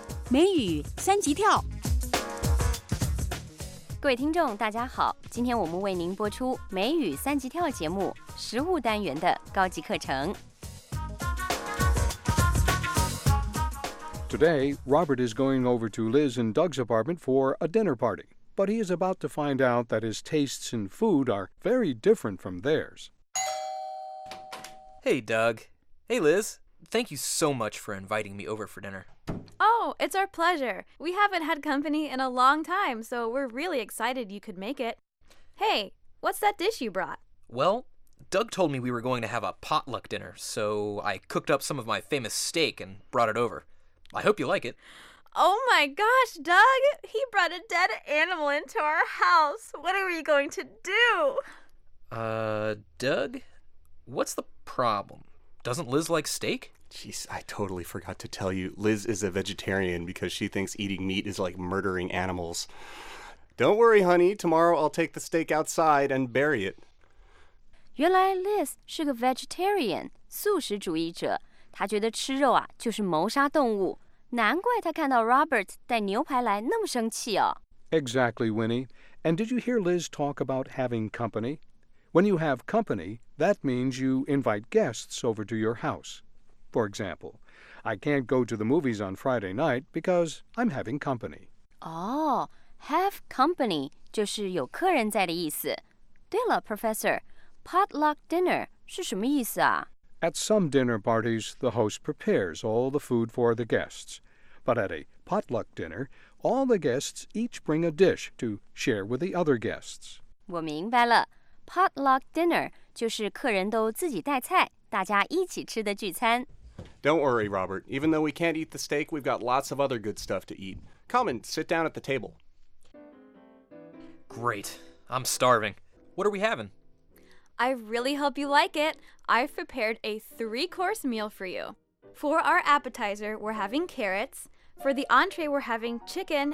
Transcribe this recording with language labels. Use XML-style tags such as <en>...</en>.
<zh>美语三级跳。各位听众大家好，今天我们为您播出美语三级跳节目食物单元的高级课程。</zh> <en>Today, Robert is going over to Liz and Doug's apartment for a dinner party, but he is about to find out that his tastes in food are very different from theirs. Hey, Doug. Hey, Liz. Thank you so much for inviting me over for dinner. Oh, it's our pleasure. We haven't had company in a long time, so we're really excited you could make it. Hey, what's that dish you brought? Well, Doug told me we were going to have a potluck dinner, so I cooked up some of my famous steak and brought it over. I hope you like it. Oh my gosh, Doug! He brought a dead animal into our house! What are we going to do? Doug? What's the problem? Doesn't Liz like steak? Jeez, I totally forgot to tell you. Liz is a vegetarian because she thinks eating meat is like murdering animals. Don't worry, honey. Tomorrow I'll take the steak outside and bury it.</en> <zh>原来 Liz 是个 vegetarian, 素食主义者。他觉得吃肉啊就是谋杀动物，难怪他看到 Robert 带牛排来那么生气哦。</zh> <en>Exactly, Winnie. And did you hear Liz talk about having company? When you have company, that means you invite guests over to your house. For example, I can't go to the movies on Friday night because I'm having company.</en> <zh>Oh,</zh> <en>have company</en> <zh>就是有客人在的意思。对了 ，</zh> <en>Professor, potluck dinner</en> <zh>是什么意思啊？</zh> <en>At some dinner parties, the host prepares all the food for the guests. But at a potluck dinner, all the guests each bring a dish to share with the other guests.</en> <zh>我明白了。 Potluck dinner 就是客人都自己带菜，大家一起吃的聚餐。</zh> <en>Don't worry, Robert. Even though we can't eat the steak, we've got lots of other good stuff to eat. Come and sit down at the table. Great. I'm starving. What are we having? I really hope you like it. I've prepared a 3-course meal for you. For our appetizer, we're having carrots. For the entree, we're having chicken.</en>